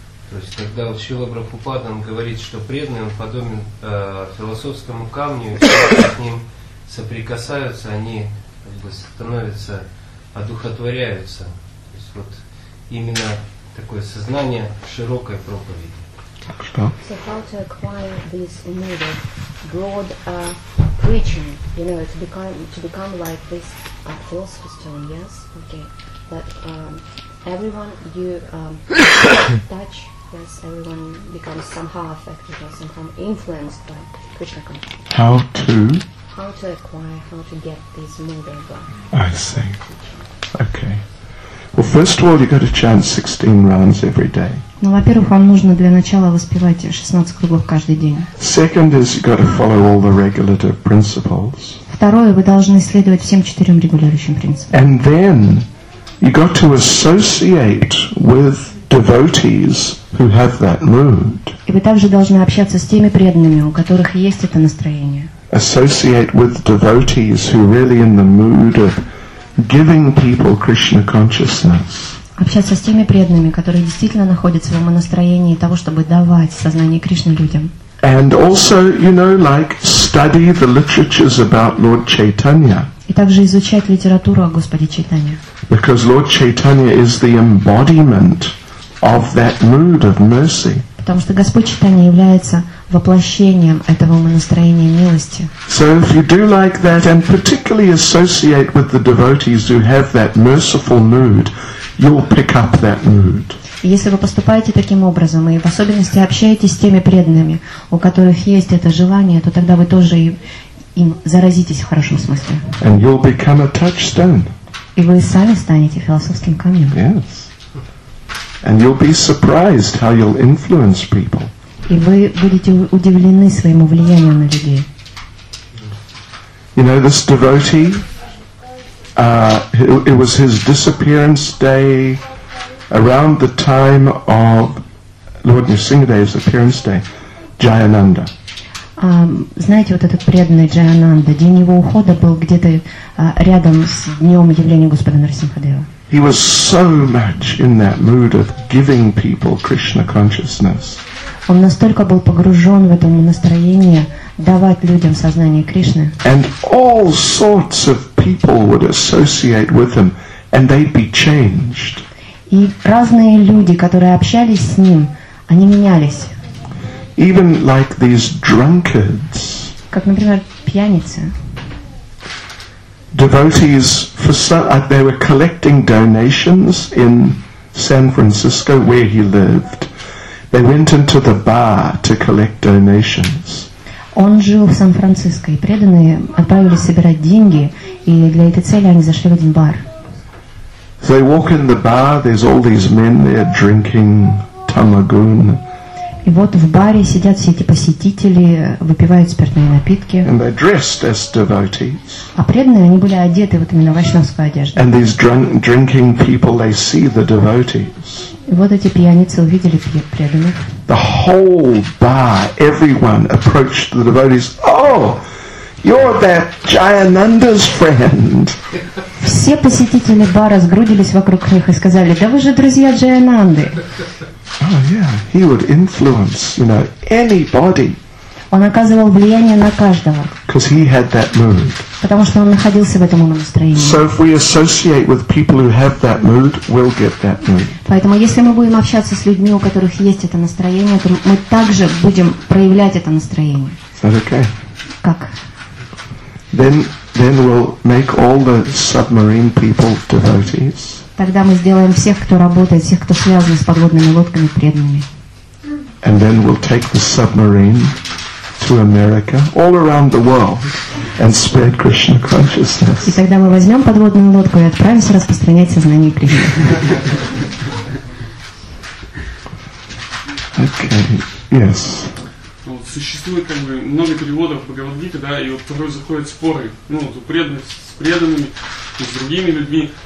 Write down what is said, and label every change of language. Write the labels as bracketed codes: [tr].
[ru] То есть, когда вот Шрила Прабхупада говорит, что преданный он подобен философскому камню, и все, с ним соприкасаются, они как бы становятся, одухотворяются. То есть, вот именно такое сознание широкой проповеди. [en] So how to acquire this immediate broad preaching, you know, to become like this philosopher stone, yes? Okay. That everyone you touch, yes, everyone becomes somehow affected or somehow influenced by Krishna consciousness. How to how to acquire, how to get this mudra. I see. Okay. Well, first of all, you got to chant 16 rounds every day. [ru] Ну, во-первых, вам нужно для начала воспевать 16 кругов каждый день. [en] Second is you got to follow all the regulative principles. [ru] Второе, вы должны следовать всем четырем регулирующим принципам. [en] And then you got to associate with devotees who have that mood. [ru] И вы также должны общаться с теми преданными, у которых есть это настроение. [en] Associate with devotees who really in the mood of giving people Krishna consciousness. [ru] Общаться с теми преданными, которые действительно находятся в своем настроении того, чтобы давать сознание Кришны людям. [en] And also, you know, like study the literatures about Lord Chaitanya. [ru] И также изучать литературу о Господе Чайтанье. [en] Because Lord Chaitanya is the embodiment of that mood of mercy. [ru] Потому что Господь Чайтанья является воплощением этого умонастроения милости. [en] So if you do like that and particularly associate with the devotees who have that merciful mood, you'll pick up that mood. [ru] Если вы поступаете таким образом и в особенности общаетесь с теми преданными, у которых есть это желание, то тогда вы тоже им заразитесь в хорошем смысле. [en] And you'll become a touchstone. [ru] И вы сами станете философским камнем. [en] Yes. And you'll be surprised how you'll influence people. [ru] И вы будете удивлены своему влиянию на людей. [en] You know this devotee? It was his disappearance day around the time of Lord Nrisimhadev's appearance day, Jayananda. [ru] Знаете, вот этот преданный Джаянанда, день его ухода был где-то рядом с днем явления Господа Нарсимхадева. [en] He was so much in that mood of giving people Krishna consciousness. [ru] Он настолько был погружен в это настроение давать людям сознание Кришны. [en] And all sorts of people would associate with him, and they'd be changed. [ru] И разные люди, которые общались с ним, они менялись. [en] Even like these drunkards. [ru] Как, например, пьяницы. [en] Devotees for they were collecting donations in San Francisco where he lived. They went into the bar to collect donations. [ru] Он жил в Сан-Франциско, и преданные отправились собирать деньги, и для этой цели они зашли в один бар. [en] They walk in the bar, there's all these men there drinking tamagun. [ru] И вот в баре сидят все эти посетители, выпивают спиртные напитки. [en] And they're dressed as devotees. [ru] А преданные, они были одеты вот именно в вайшнавскую одежду. [en] And these drinking people, they see the devotees. [ru] И вот эти пьяницы увидели преданных. [en] The whole bar, everyone approached the devotees. Oh, you're that Jayananda's friend. [ru] Все посетители бара сгрудились вокруг них и сказали: «Да вы же друзья Джаянанды». [en] Oh yeah, he would influence, you know, anybody. [ru] Он оказывал влияние на каждого. [en] Because he had that mood. [ru] Потому что он находился в этом настроении. [en] So if we associate with people who have that mood, we'll get that mood. [ru] Поэтому если мы будем общаться с людьми, у которых есть это настроение, то мы также будем проявлять это настроение. [en] Is that okay? [ru] Как? [en] Then we'll make all the submarine people devotees. [ru] Тогда мы сделаем всех, кто работает, всех, кто связан с подводными лодками, преданными. [en] And then we'll take the submarine to America, all around the world, and spread Krishna consciousness. [ru] И тогда мы возьмем подводную лодку и отправимся распространять сознание Кришны. [en] Okay. Yes. [ru] Существует как бы много переводов Бхагавад-гиты, да, и вот порой заходят споры, ну, преданных с преданными, с другими людьми.